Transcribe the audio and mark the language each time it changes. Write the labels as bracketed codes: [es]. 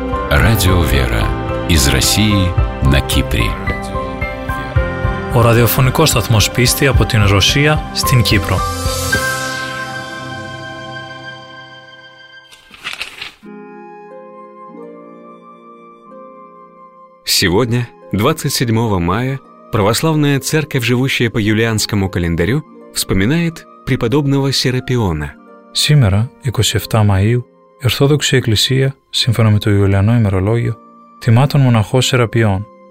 [ru] Радио Вера из России на Кипре. [el] Ο ραδιοφωνικός σταθμός πίστη από την Ρωσία στην Κύπρο. [ru] Сегодня, 27 мая, православная церковь, живущая по юлианскому календарю, вспоминает преподобного Серапиона. Сегодня, 27 мая, [el] Ορθόδοξη Εκκλησία, σύμφωνα με το Ιουλιανό ημερολόγιο, τιμά τον μοναχό Σεραπιόν.